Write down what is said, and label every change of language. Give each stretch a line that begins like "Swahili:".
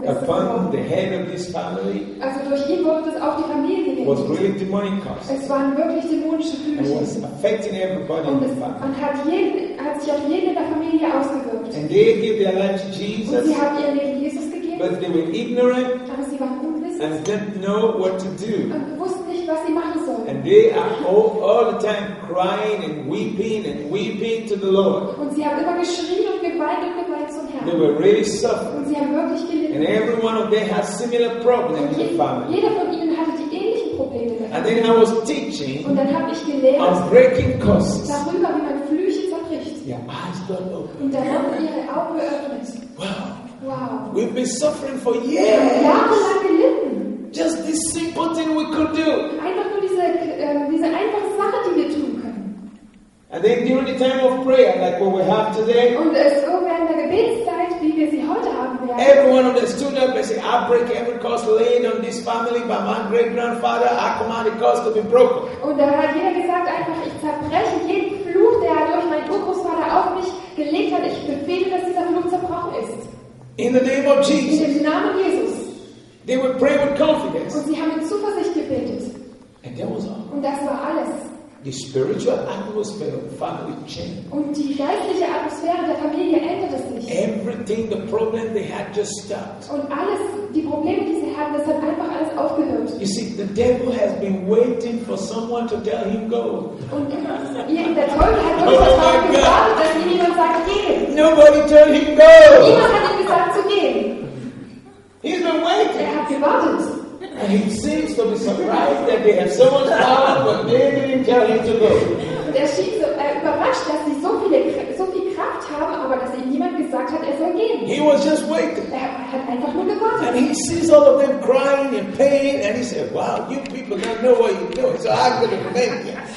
English: Upon the head of this family.
German: Also durch ihn wurde das auf die Familie gelegt.
English: Was really demonic curses.
German: Es waren wirklich dämonische Flüche.
English: It was affecting everybody in the family.
German: Und hat sich auf jeden in der Familie ausgewirkt.
English: And they gave their life to Jesus.
German: Und sie haben ihr Leben Jesus gegeben.
English: But they were ignorant.
German: Aber sie waren unwissend.
English: And didn't know what to do.
German: Und wussten nicht, was sie machen sollen.
English: And they are all the time crying and weeping to the Lord.
German: Und sie haben immer geschrien und geweint und geweint zum Herrn.
English: They were really suffering.
German: Und sie haben wirklich gelitten.
English: And every one of them had similar problems in the family.
German: Jeder von ihnen hatte die ähnlichen Probleme.
English: And then I was teaching.
German: Und dann habe ich gelehrt.
English: On breaking curses.
German: Darüber, wie man Flüche zerbricht.
English: Your eyes got open.
German: Und dann haben ihre Augen geöffnet.
English: Wow.
German: Wow.
English: We've been suffering for years.
German: Wir haben jahrelang gelitten.
English: Just this simple thing we could do.
German: Einfach nur diese einfache Sache, die wir tun können.
English: And then during the time of prayer, like what we have today.
German: Und es so während der Gebetszeit, wie wir sie heute haben.
English: Everyone of them stood up and said, I break every curse laid on this family by my great grandfather. I command the curse to be broken.
German: Und da hat jeder gesagt, einfach, ich zerbreche jeden Fluch, der durch meinen Urgroßvater auf mich gelegt hat. Ich befehle, dass dieser Fluch zerbrochen ist.
English: In the name of Jesus.
German: In dem Namen Jesus.
English: They would pray with confidence.
German: Und sie haben mit Zuversicht gebetet.
English: And that was all.
German: Und das war alles.
English: The spiritual atmosphere of the family changed.
German: Und die geistliche Atmosphäre der Familie änderte sich.
English: Everything, the problem they had just stopped.
German: Und alles, die Probleme, die sie hatten, das hat einfach alles aufgehört.
English: You see, the devil has been waiting for someone to tell him go.
German: Und der Teufel hat nur darauf gewartet, dass ihm jemand sagt, geh.
English: Nobody told him go.
German: Niemand hat ihm gesagt zu gehen.
English: He's been waiting.
German: Er hat gewartet.
English: And he seems to be surprised that they have so much power, but they didn't tell him to go.
German: Und er schien so überrascht, dass sie so viel Kraft haben, aber dass ihnen niemand gesagt hat, er soll gehen.
English: He was just waiting.
German: Er hat einfach nur gewartet.
English: And he sees all of them crying in pain, and he said, "Wow, you people don't know what you're doing, so I'm going to make it."